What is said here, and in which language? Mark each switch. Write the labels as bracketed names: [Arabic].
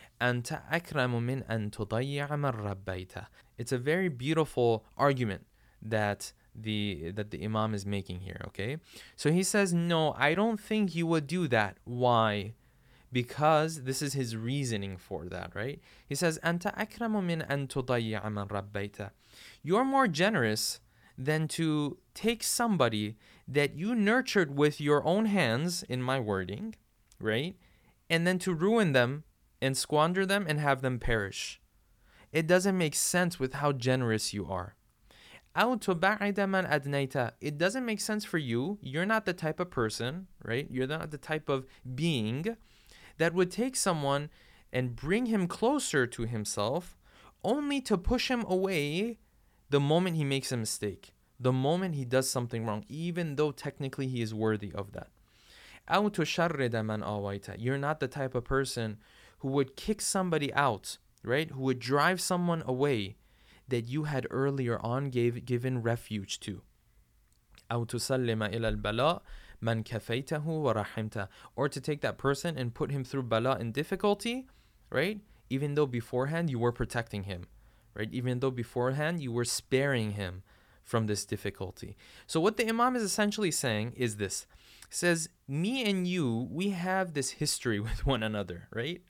[Arabic] أَنْتَ أَكْرَمُ مِنْ أَنْ تُضَيِّعَ مَنْ رَبَّيْتَ. [English] It's a very beautiful argument that the imam is making here, okay? So he says, no, I don't think you would do that. Why? Because this is his reasoning for that, right? He says, [Arabic] أَنْتَ أَكْرَمُ مِنْ أَنْ تُضَيِّعَ مَنْ رَبَّيْتَ. [English] You're more generous than to take somebody that you nurtured with your own hands, in my wording, right? And then to ruin them and squander them and have them perish. It doesn't make sense with how generous you are. It doesn't make sense for you. You're not the type of person, right? You're not the type of being that would take someone and bring him closer to himself only to push him away the moment he makes a mistake, the moment he does something wrong, even though technically he is worthy of that. You're not the type of person who would kick somebody out, right? Who would drive someone away that you had earlier on given refuge to. [Arabic] أو تسلم إلى البلاء من كفيته ورحمته. [English] Or to take that person and put him through bala and difficulty, right? Even though beforehand you were protecting him, right? Even though beforehand you were sparing him from this difficulty. So what the Imam is essentially saying is this. He says, me and you, we have this history with one another, right?